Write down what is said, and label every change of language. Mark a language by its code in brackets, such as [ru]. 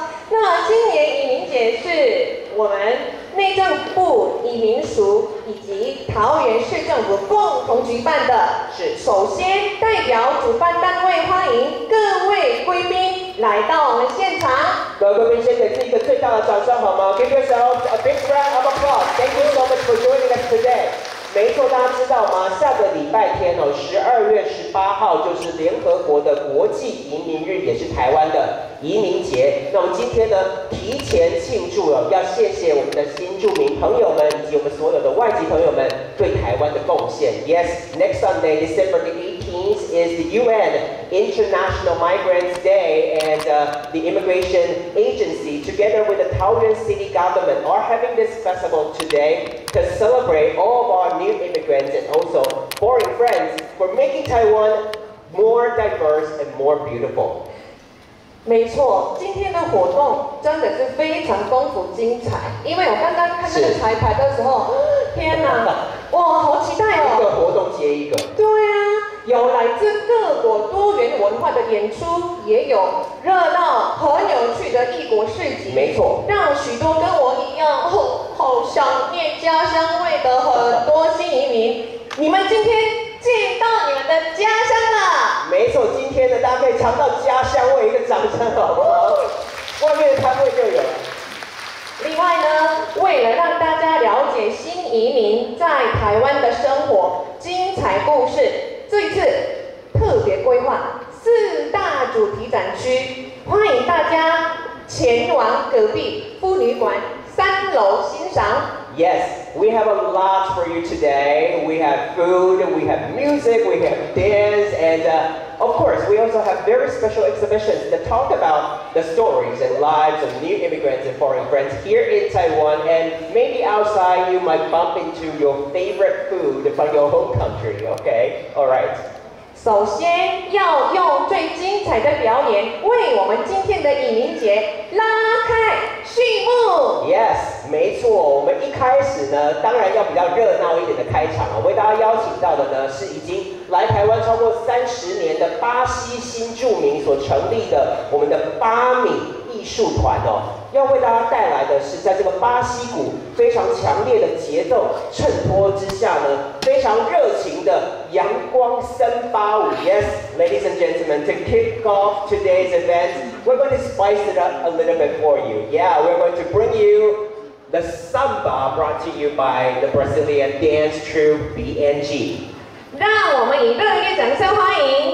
[zh] 那今年移民节是我们内政部移民署以及桃园市政府共同举办的，是首先代表主办单位欢迎各位贵宾来到我们现场。各位贵宾，先给自己一个最大的掌声好吗 ？ [en] Give yourself a big round of applause. Thank you so much for joining us today. [zh] 没错，大家知道吗？下个礼拜天哦，12月18号就是联合国的国际移民日，也是台湾的移民节。那我们今天呢，提前庆祝了，要谢谢我们的新住民朋友们以及我们所有的外籍朋友们对台湾的贡献。 [en] Yes, next Sunday, December the 18th is the UN International Migrants Day, and the Immigration Agency, together with the Taoyuan City Government, are having this festival today to celebrate all of our new immigrants and also foreign friends for making Taiwan more diverse and more beautiful. [zh] 没错，今天的活动真的是非常丰富精彩。因为我刚刚看这个彩排的时候，天哪，哇，好期待哦！一个活动接一个。对啊，有来自各国多元文化的演出，也有热闹很有趣的异国市集。没错，让许多跟我一样好想念家乡味的很多新移民，你们今天见到你们的家乡了。没错，今天呢，大家可以尝到家乡味，一个掌声好不好？外面的摊位就有了。另外呢，为了让大家了解新移民在台湾的生活精彩故事，这一次特别规划四大主题展区，欢迎大家前往隔壁妇女馆三楼欣赏。 [en] Yes, we have a lot for you today. We have food, we have music, we have dance, and of course, we also have very special exhibitions that talk about the stories and lives of new immigrants and foreign friends here in Taiwan, and maybe outside you might bump into your favorite food from your home country, okay? All right. [zh] 首先要用最精彩的表演为我们今天的移民节拉开序幕。 [en] Yes, [zh] 没错，我们一开始呢，当然要比较热闹一点的开场啊。为大家邀请到的呢，是已经来台湾超过30年的巴西新住民所成立的我们的巴米艺术团哦。要为大家带来的是，在这个巴西鼓非常强烈的节奏衬托之下呢，非常热情的阳光森巴舞。 [en] Yes, ladies and gentlemen, to kick off today's event, we're going to spice it up a little bit for you. Yeah, we're going to bring you the samba brought to you by the Brazilian dance troupe BNG. [zh] 让我们以热烈掌声欢迎。